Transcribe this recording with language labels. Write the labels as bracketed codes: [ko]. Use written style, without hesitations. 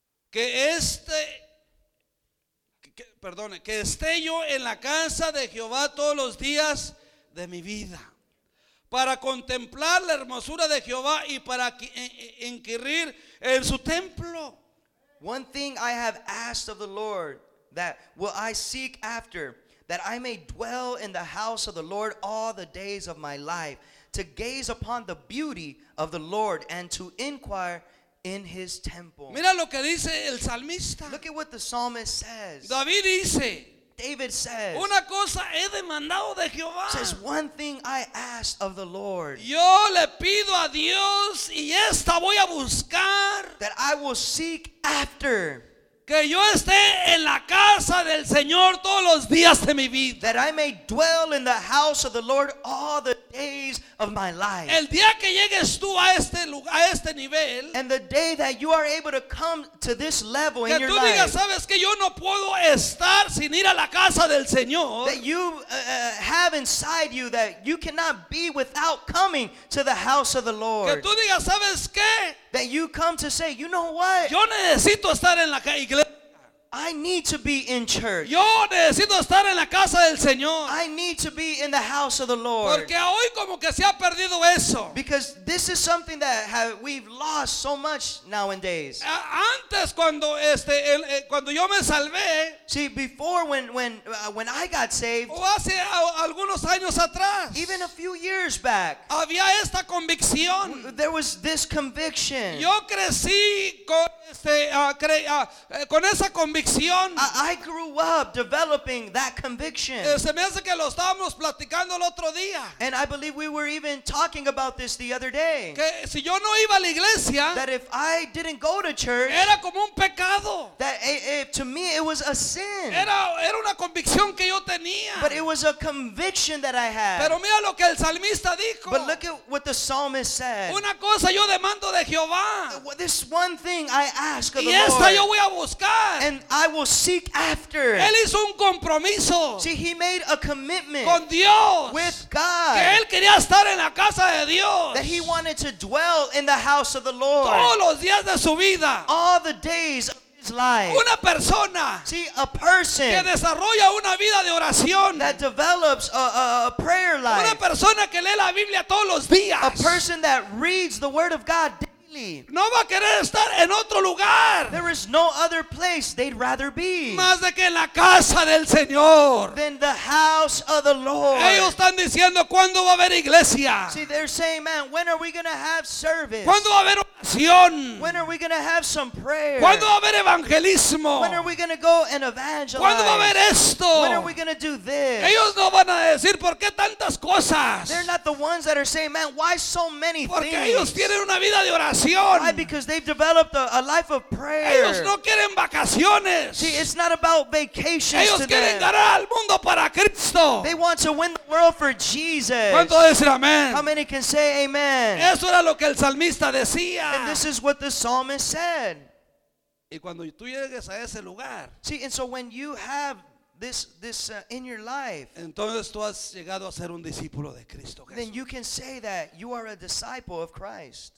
[es] Que este, que, perdone, que esté yo en la casa de Jehová todos los días de mi vida, para contemplar la hermosura de Jehová y para inquirir en su templo. [en] One thing I have asked of the Lord, that will I seek after, that I may dwell in the house of the Lord all the days of my life, to gaze upon the beauty of the Lord and to inquire in his temple. [es] Mira lo que dice el salmista. [en] Look at what the psalmist says. [es] David dice. [en] David says. [es] Una cosa he demandado de Jehová. [en] Says, one thing I ask of the Lord. [es] Yo le pido a Dios y esta voy a buscar. [en] That I will seek after. [es] Que yo esté en la casa del Señor todos los días de mi vida. [en] That I may dwell in the house of the Lord all the days of my life. [es] El día que llegues tú a este lugar, a este nivel. [en] And the day that you are able to come to this level in your [es] Que tú digas, sabes que yo no puedo estar sin ir a la casa del Señor. [en] That you have inside you that you cannot be without coming to the house of the Lord. [es] Que tú digas, sabes qué. [en] That you come to say, you know what? [es] Yo necesito estar en la iglesia. [en] I need to be in church. [es] Yo necesito estar en la casa del Señor. [en] I need to be in the house of the Lord. [es] Porque hoy como que se ha perdido eso. [en] Because this is something that we've lost so much nowadays. [es] Antes cuando cuando yo me salvé. [en] See, before when I got saved. [es] O hace algunos años atrás. [en] Even a few years back. [es] Había esta convicción. [en] There was this conviction. [es] Yo crecí con esa convicción. [en] I grew up developing that conviction. [es] Se me hace que lo estábamos platicando el otro día. [en] And I believe we were even talking about this the other day. [es] Que si yo no iba a la iglesia, [en] that if I didn't go to church, [es] era como un pecado. [en] That to me it was a sin. [es] Era una convicción que yo tenía. [en] But it was a conviction that I had. [es] Pero mira lo que el salmista dijo. [en] But look at what the psalmist said. [es] Una cosa yo demando de Jehová. [en] This one thing I ask of [es] y esta [en] the Lord. [es] Yo voy a buscar. [en] And I will seek after. [es] Él hizo un compromiso. [en] See, he made a commitment [es] con Dios. [en] With God. [es] Que él quería estar en la casa de Dios. [en] That he wanted to dwell in the house of the Lord. [es] Todos los días de su vida. [en] All the days of his life. [es] Una persona. [en] See, a person. [es] Que desarrolla una vida de oración. [en] That develops a prayer life. [es] Una persona que lee la Biblia todos los días. [en] A person that reads the Word of God. [es] No va a querer estar en otro lugar. [en] There is no other place they'd rather be. [es] Más de que en la casa del Señor. [en] Than the house of the Lord. [es] Ellos están diciendo, ¿cuándo va a haber iglesia? [en] See, they're saying, man, when are we gonna have service? [es] ¿Cuándo va a haber oración? [en] When are we gonna have some prayer? [es] ¿Cuándo va a haber evangelismo? [en] When are we gonna go and evangelize? [es] ¿Cuándo va a haber esto? [en] When are we gonna do this? [es] Ellos no van a decir, ¿por qué tantas cosas? [en] They're not the ones that are saying, man, why so many [es] Porque [en] things? [es] Porque ellos tienen una vida de oración. [en] Why? Because they've developed a life of prayer. [es] Ellos no quieren vacaciones. [en] See, it's not about vacations. [es] Ellos quieren ganar al mundo para Cristo. [en] They want to win the world for Jesus. [es] ¿Cuánto dicen amén? [en] How many can say amen? [es] Eso era lo que el salmista decía. [en] And this is what the psalmist said. [es] Y cuando tú llegues a ese lugar. [en] See, and so when you have this in your life, [es] entonces tú has llegado a ser un discípulo de Cristo Jesús. [en] Then you can say that you are a disciple of Christ.